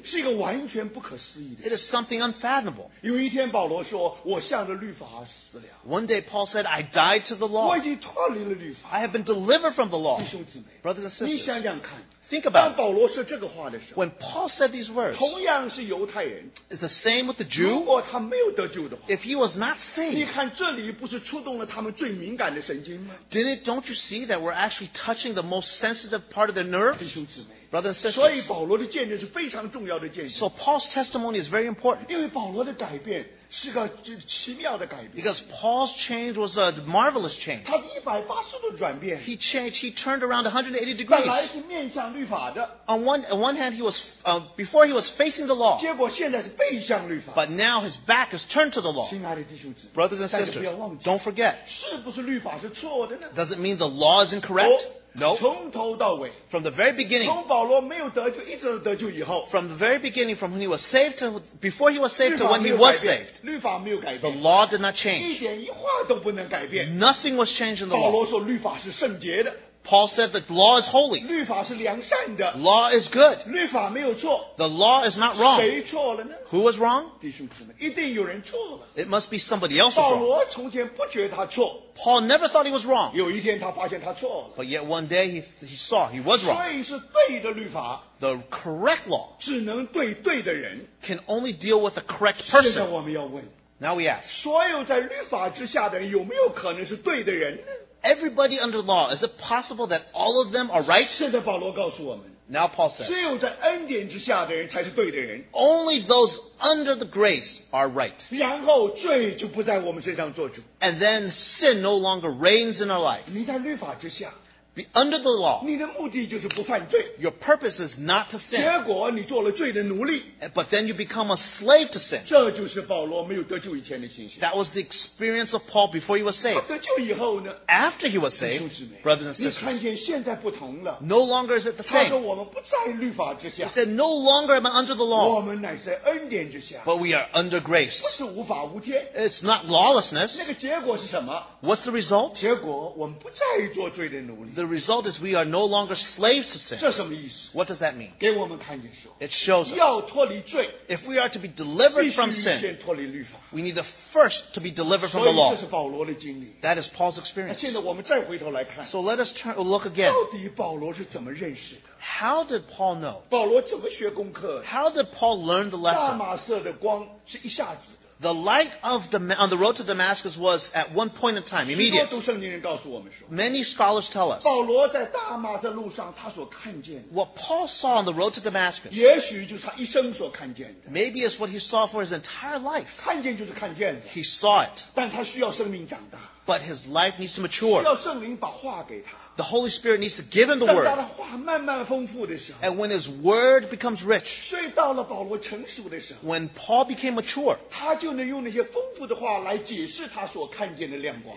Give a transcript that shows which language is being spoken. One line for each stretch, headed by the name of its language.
Chinese: 是一个完全不可思议的,
English: it is something unfathomable.
Chinese: 有一天保罗说, 我向着律法死了,
English: one day Paul said, I died to the law.
Chinese: 我已经脱离了律法,
English: I have been delivered from the law.
Chinese: 弟兄姊妹,
English: brothers and sisters,
Chinese: 你想想看,
English: think about it. When Paul said these words,
Chinese: 同样是犹太人,
English: it's the same with the Jew.
Chinese: 如果他没有得救的话,
English: if he was not saved, don't you see that we're actually touching the most sensitive part of their nerve?
Chinese: 弟兄姊妹,
English: Brothers and sisters,
Chinese: 所以保罗的见证是非常重要的见证。
English: So Paul's testimony is very important.
Chinese: 因为保罗的改变是个奇妙的改变。
English: Because Paul's change was a marvelous change.
Chinese: 他一百八十度转变。
English: He changed. He turned around 180 degrees.
Chinese: 本来是面向律法的。
English: On one hand, he was before he was facing the law.
Chinese: 结果现在是背向律法。
English: But now his back is turned to the law.
Chinese: 亲爱的弟兄姊妹
English: brothers and sisters, don't forget.
Chinese: 是不是律法是错的呢
English: ？Does it mean the law is incorrect? No.
Chinese: 从头到尾
English: from the very beginning,
Chinese: 从保罗没有得救一直得救以后
English: from the very beginning, from when he was saved to before he was saved to when he was saved,
Chinese: 律法没有改变
English: the law did not change.
Chinese: 一点一话都不能改变
English: Nothing was changed in the law.
Chinese: 保罗说律法是圣洁的
English: Paul said that the law is holy.
Chinese: 律法是良善的
English: Law is good.
Chinese: 律法没有错
English: The law is not wrong.
Chinese: 谁错了呢
English: Who was wrong?
Chinese: 弟兄姊妹一定有人错了
English: It must be somebody else's wrong.
Chinese: 保罗从前不觉得他错
English: Paul never thought he was wrong.
Chinese: 有一天他发现他错了。
English: But yet one day he saw he was wrong.
Chinese: 所以是对的律法。
English: The correct law.
Chinese: 只能对对的人。
English: Can only deal with the correct person.
Chinese: 现在我们要问。
English: Now we ask.
Chinese: 所有在律法之下的人有没有可能是对的人呢
English: Everybody under law, is it possible that all of them are right?
Chinese: 现在保罗告诉我们。
English: Now Paul says.
Chinese: 只有在恩典之下的人才是对的人。
English: Only those under the grace are right.
Chinese: 然后罪就不在我们身上做主。
English: And then sin no longer reigns in our life.
Chinese: 你在律法之下。
English: Be under the law.
Chinese: 你的目的就是不犯罪。
English: Your purpose is not to sin.
Chinese: 结果你做了罪的奴隶。
English: But then you become a slave to sin.
Chinese: 这就是保罗没有得救以前的情形。
English: That was the experience of Paul before he was saved.
Chinese: 得救以后呢
English: After he was saved, brothers and sisters,
Chinese: 你看见现在不同了。
English: No longer is it the same.
Chinese: 他说我们不在律法之下。
English: He said, no longer am I under the law.
Chinese: 我们乃在恩典之下。
English: But we are under grace.
Chinese: 不是无法无天。
English: It's not lawlessness.
Chinese: 那个结果是什么
English: What's the result?
Chinese: 结果我们不再做罪的奴隶。
English: The result is we are no longer slaves to sin.
Chinese: 这什么意思?
English: What does that mean?
Chinese: 给我们看见说,
English: it shows us.
Chinese: 要脱离罪,
English: if we are to be delivered from sin,
Chinese: 必须先脱离律法,
English: we need the first to be delivered from the law.
Chinese: 所以这是保罗的经历。
English: That is Paul's experience.
Chinese: 现在我们再回头来看,
English: so let us turn, look again.
Chinese: 到底保罗是怎么认识的?
English: How did Paul know?
Chinese: 保罗怎么学功课?
English: How did Paul learn the lesson?
Chinese: 大马色的光是一下子。
English: The light of on the road to Damascus was at one point in time, immediate. Many scholars tell us.
Chinese: 保罗在大马色路上他所看见的
English: What Paul saw on the road to Damascus.
Chinese: 也许就是他一生所看见的
English: Maybe it's what he saw for his entire life.
Chinese: 看见就是看见的
English: He saw it.
Chinese: 但他需要生命长大
English: But his life needs to mature.
Chinese: 需要圣灵把话给他
English: The Holy Spirit needs to give him the word.
Chinese: 当他的话慢慢丰富的时候
English: And when his word becomes rich.
Chinese: 所以到了保罗成熟的时候
English: When Paul became mature.
Chinese: 他就能用那些丰富的话来解释他所看见的亮光